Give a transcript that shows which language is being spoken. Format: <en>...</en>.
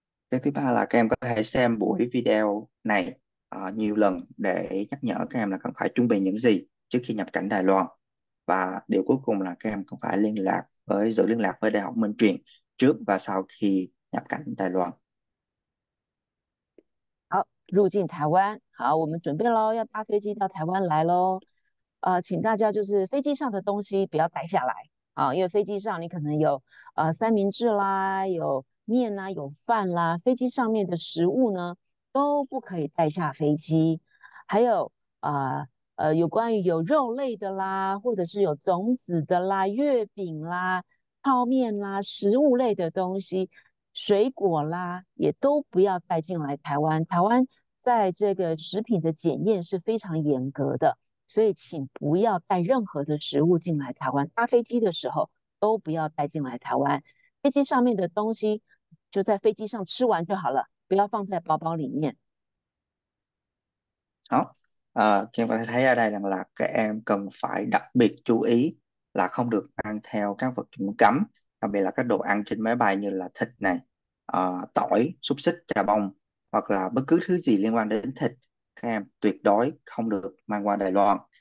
<vi>Cái thứ ba là các em có thể xem buổi video này nhiều lần để nhắc nhở các em là cần phải chuẩn bị những gì trước khi nhập cảnh Đài Loan. Và điều cuối cùng là các em cần phải liên lạc với giữ liên lạc với Đại học Minh Truyền trước và sau khi nhập cảnh Đài Loan.</vi> <zh>入境台湾，好，我们准备喽，要搭飞机到台湾来喽。请大家就是飞机上的东西不要带下来啊，因为飞机上你可能有三明治啦，有面啦，有饭啦，飞机上面的食物呢都不可以带下飞机。还有有关于有肉类的啦，或者是有种子的啦、月饼啦、泡面啦、食物类的东西、水果啦，也都不要带进来台湾。台湾。在这个食品的检验是非常严格的，所以请不要带任何的食物进来台湾。搭飞机的时候都不要带进来台湾。飞机上面的东西就在飞机上吃完就好了，不要放在包包里面。</zh> <vi>Đó. Các em có thể thấy ở đây rằng là các em cần phải đặc biệt chú ý là không được mang theo các vật dụng cấm, đặc biệt là các đồ ăn trên máy bay như là thịt này, tỏi, xúc xích, trà bông hoặc là bất cứ thứ gì liên quan đến thịt, các em tuyệt đối không được mang qua Đài Loan.</vi>